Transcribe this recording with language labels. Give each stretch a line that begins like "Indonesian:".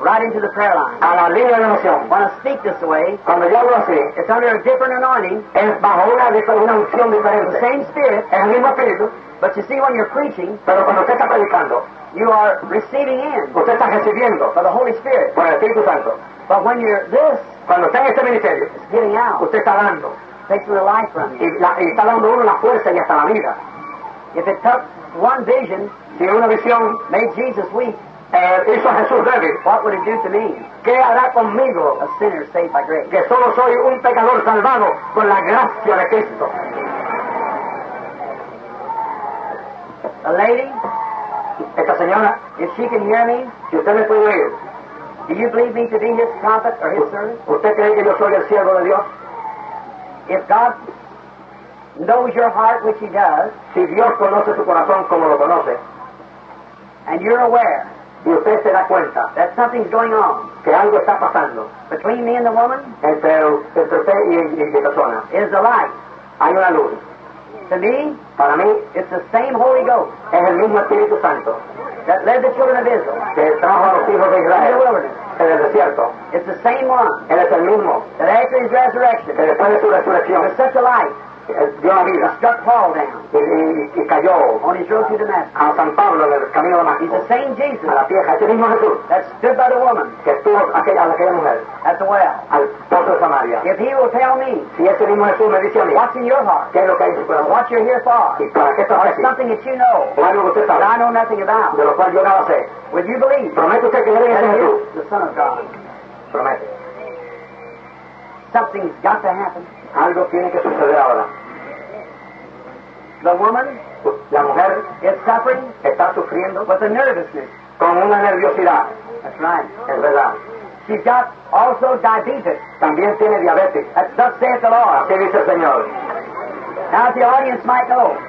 English: Right into the prayer line.
Spanish: A la línea de oración.
English: When I speak this way,
Spanish: cuando yo hablo así,
English: it's under a different anointing.
Spanish: Es bajo una unción diferente.
English: The same spirit.
Spanish: Es el mismo espíritu.
English: But you see, when you're preaching,
Spanish: pero cuando usted está predicando,
English: you are receiving in.
Spanish: Usted está recibiendo.
English: For the Holy Spirit.
Spanish: Por el Espíritu Santo.
English: But when you're this,
Spanish: cuando está en este ministerio,
English: it's getting out.
Spanish: Usted está dando.
English: Takes the life from you.
Spanish: Y está dando uno la fuerza y hasta la vida.
English: If it took one vision,
Spanish: si una visión
English: made Jesus weak,
Spanish: hizo a Jesús débil,
English: what would it do to me?
Spanish: ¿Qué hará conmigo?
English: A sinner saved by grace.
Spanish: Que solo soy un pecador salvado por la gracia de Cristo.
English: A lady,
Spanish: esta señora,
English: if she can hear me,
Spanish: si usted me puede oír,
English: do you believe me to be his prophet or his servant?
Spanish: ¿Usted cree que yo soy el siervo de Dios?
English: If God knows your heart, which He does,
Spanish: si Dios conoce tu corazón como lo conoce,
English: and you're aware,
Spanish: y usted se da cuenta,
English: that something's going on,
Spanish: que algo está pasando,
English: between me and the woman,
Spanish: entre usted y mi persona,
English: is the light,
Spanish: hay una luz.
English: To me,
Spanish: para mí,
English: it's the same Holy Ghost,
Spanish: es el mismo Espíritu Santo,
English: that led the children of Israel,
Spanish: que trajo a los hijos de Israel,
English: in the wilderness.
Spanish: En el desierto.
English: It's the same one.
Spanish: Él es el mismo.
English: That after his resurrection.
Spanish: Que después de su resurrección.
English: With such a life.
Spanish: dio la vida.
English: He struck Paul down.
Spanish: Y cayó.
English: On his road to Damascus.
Spanish: A San Pablo, en el camino de Damasco.
English: He's the same Jesus.
Spanish: A la vieja, ese mismo Jesús.
English: That stood by the woman.
Spanish: Que estuvo aquella mujer.
English: At the well.
Spanish: Al pozo de Samaria.
English: If he will tell me.
Spanish: Si ese mismo Jesús me dice a mí.
English: What's in your heart?
Spanish: ¿Qué es lo que hay en su corazón?
English: What you're here for?
Spanish: ¿Y para qué estás aquí?
English: It's something that you know.
Spanish: O algo que usted sabe.
English: That I know nothing about.
Spanish: De lo cual yo nada sé.
English: Would you believe?
Spanish: ¿Promete usted que cree en ese Jesús?
English: The Son of God.
Spanish: Promete.
English: Something's got to happen.
Spanish: Algo tiene que suceder ahora.
English: The woman,
Spanish: la mujer,
English: is suffering,
Spanish: está sufriendo,
English: with a nervousness,
Spanish: con una nerviosidad.
English: That's right.
Spanish: Es verdad.
English: She's got also diabetes.
Spanish: También tiene diabetes.
English: That's thus saith the Lord.
Spanish: Así dice el Señor.
English: Now the audience might know.